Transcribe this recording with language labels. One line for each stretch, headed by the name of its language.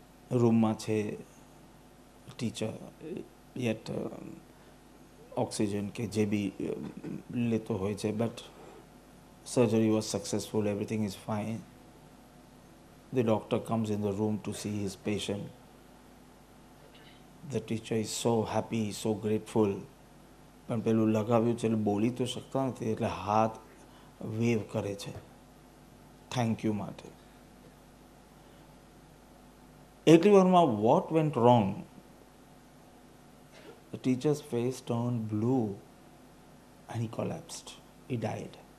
Gujarati: રૂમમાં છે
English: Teacher, yet oxygen કે જે બી લેતો હોય છે, but surgery was successful, everything is fine. The doctor comes in the room to see his patient, the teacher is so happy, so grateful.
Gujarati: પણ પેલું લગાવ્યું છે એટલે બોલી તો શકતા નથી એટલે હાથ વેવ કરે છે થેન્ક યુ માટે. એટલી વારમાં
English: What went wrong? The teacher's face turn blue and he collapsed, he died.